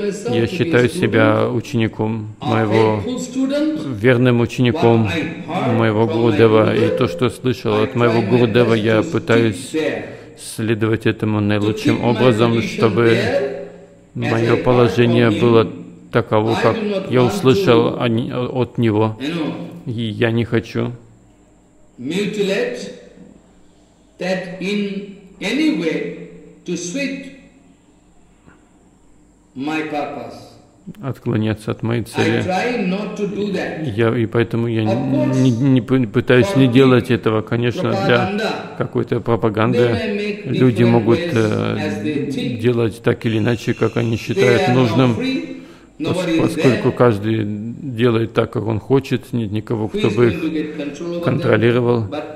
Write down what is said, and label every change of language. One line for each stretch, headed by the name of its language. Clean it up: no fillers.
Russian: Я считаю себя учеником моего, верным учеником моего Гурудева, и то, что слышал от моего Гурудева, я пытаюсь следовать этому наилучшим образом, чтобы мое положение было таково, как я услышал от него, и я не хочу
English: that in any way to suit my purpose.
Russian: Отклоняться от моей цели.
English: I try not to do that.
Russian: Я не пытаюсь делать этого, конечно, для какой-то пропаганды. Люди могут делать так или иначе, как они считают нужным, поскольку каждый делает так, как он хочет, нет никого, кто бы их контролировал.